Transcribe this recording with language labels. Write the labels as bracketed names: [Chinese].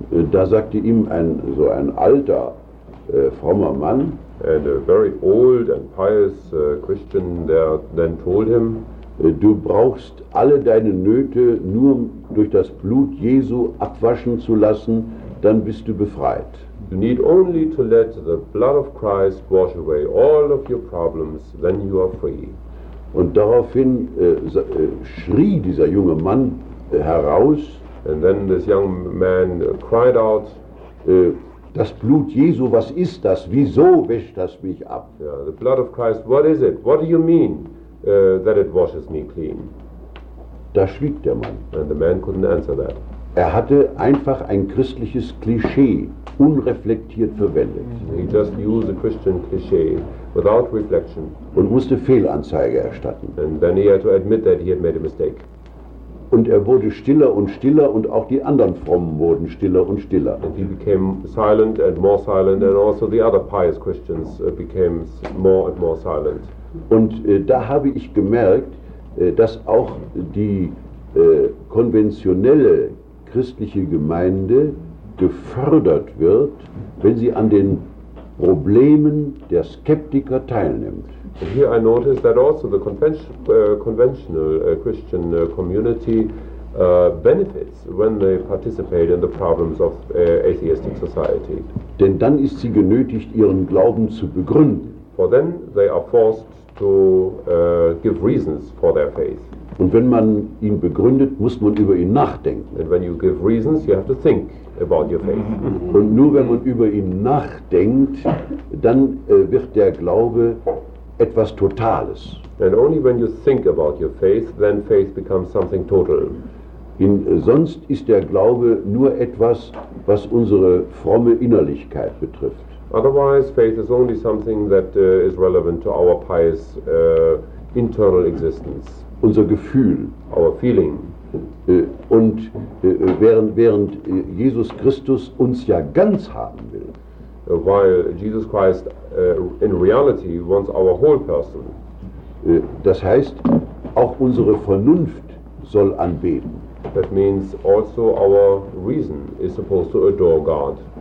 [German] Da sagte ihm ein alter, frommer Mann. [English] And a very old and pious Christian there then told him, [German] du brauchst alle deine Nöte nur durch das Blut Jesu abwaschen zu lassen, dann bist du befreit. [English] You need only to let the blood of Christ wash away all of your problems, then you are free. [German] Und daraufhin schrie dieser junge Mann heraus. [English] And then this young man cried out, [German] das Blut Jesu, was ist das? Wieso wäscht das mich ab? [English] Yeah, the blood of Christ, what is it? What do you mean that it washes me clean? [German] Da schwieg der Mann. [English] And the man couldn't answer that. [German] Er hatte einfach ein christliches Klischee unreflektiert verwendet. [English] He just used a Christian cliché without reflection. [German] Und musste Fehlanzeige erstatten. [English] And then he had to admit that he had made a mistake. [German] Und er wurde stiller und stiller und auch die anderen Frommen wurden stiller und stiller. [English] And he became silent and more silent and also the other pious Christians became more and more silent. [German] Und da habe ich gemerkt, dass auch die konventionelle christliche Gemeinde gefördert wird, wenn sie an den Problemen der Skeptiker teilnimmt. [English] And here I notice that also the conventional Christian community benefits when they participate in the problems of atheistic society. [German] Denn dann ist sie genötigt, ihren Glauben zu begründen. [English] For then they are forced to give reasons for their faith. [German] Und wenn man ihn begründet, muss man über ihn nachdenken. [English] And when you give reasons, you have to think about your faith. [German] Und nur wenn man über ihn nachdenkt, dann wird der Glaube etwas Totales. [English] And only when you think about your faith, then faith becomes something total. [German] In, sonst ist der Glaube nur etwas, was unsere fromme Innerlichkeit betrifft. [English] Otherwise, faith is only something that is relevant to our pious internal existence. [German] Unser Gefühl. [English] Our feeling. [German] Und während Jesus Christus uns ja ganz haben will. [English] While Jesus Christ in reality wants our whole person. [German] Das heißt, auch unsere Vernunft soll anbeten. [English] That means also our reason is supposed to adore God.